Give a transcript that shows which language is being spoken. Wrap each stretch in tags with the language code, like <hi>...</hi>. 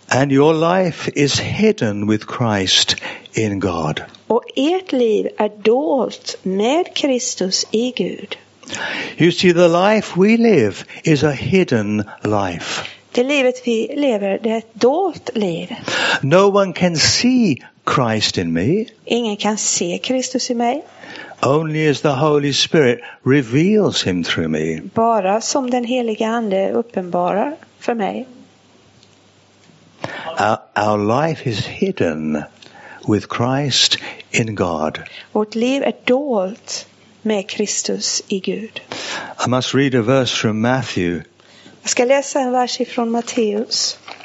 <en>And your life is hidden with Christ in God.</en> <sv>Och ert liv är dolt med Kristus i Gud.</sv> <en>You see, the life we live is a hidden life.</en> <sv>Det livet vi lever, det är ett dolt liv.</sv> <en>No one can see Christ in me.</en> <sv>Ingen kan se Kristus i mig.</sv> <en>Only as the Holy Spirit reveals him through me.</en> <sv>Bara som den helige ande uppenbarar för mig.</sv> <en>Our life is hidden with Christ in God.</en> <sv>Vårt liv är dolt med Kristus i Gud.</sv> <en>I must read a verse from Matthew.</en> <sv>Jag ska läsa en vers ifrån Matteus.</sv>